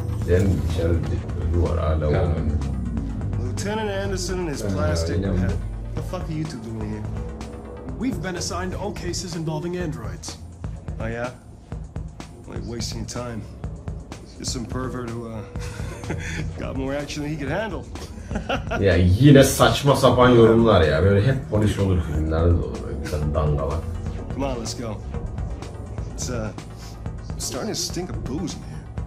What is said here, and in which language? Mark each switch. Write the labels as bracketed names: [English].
[Turkish] Yani içeride bir duvar hala var. [English] Lieutenant Anderson and his plastic. The fuck are you two doing here? We've been assigned all cases involving androids. Oh yeah? Like wasting your time. Just some pervert who got more action than he could handle. [Turkish] Ya yine saçma sapan yorumlar ya. Böyle hep polis olur filmlerde de olur. Böyle bir dangalak. [English] Come on, let's go. It's starting to stink of booze in here.